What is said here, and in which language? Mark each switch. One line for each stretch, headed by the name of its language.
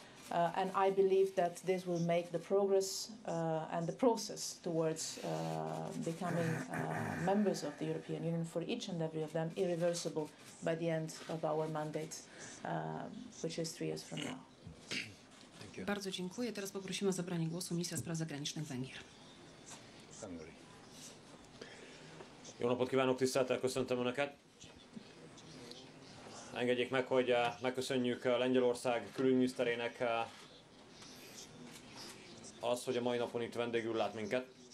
English: And I believe that this will make the progress and the process towards becoming members of the European Union for each and every of them irreversible by the end of our mandate, which is 3 years from now. Thank you.
Polish: Bardzo dziękuję. Teraz poprosimy o zabranie głosu ministra spraw zagranicznych Węgier.
Hungarian: Jó napot kívánok, tisztelettel köszöntöm Önöket! Engedjék meg, hogy megköszönjük Lengyelország külügyminiszterének azt, hogy a mai napon itt vendégül lát minket.